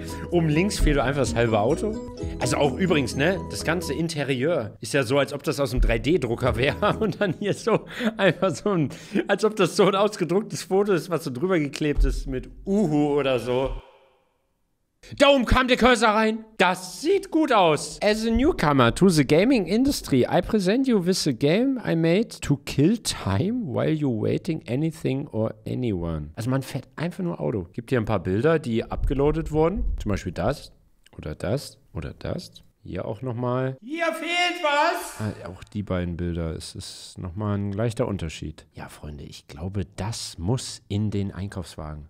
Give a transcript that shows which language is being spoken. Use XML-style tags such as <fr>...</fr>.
<de>Oben links fehlt einfach das halbe Auto. Also auch übrigens, ne? Das ganze Interieur ist ja so, als ob das aus einem 3D-Drucker wäre und dann hier so einfach so ein, als ob das so ein ausgedrucktes Foto ist, was so drüber geklebt ist mit Uhu oder so. Da oben kam der Cursor rein. Das sieht gut aus.</de> <en>As a newcomer to the gaming industry, I present you with a game I made to kill time while you're waiting anything or anyone.</en> <de>Also man fährt einfach nur Auto. Gibt hier ein paar Bilder, die abgeloadet wurden. Zum Beispiel das oder das oder das. Hier auch nochmal. Hier fehlt was. Auch die beiden Bilder. Es ist nochmal ein leichter Unterschied. Ja, Freunde, ich glaube, das muss in den Einkaufswagen.</de>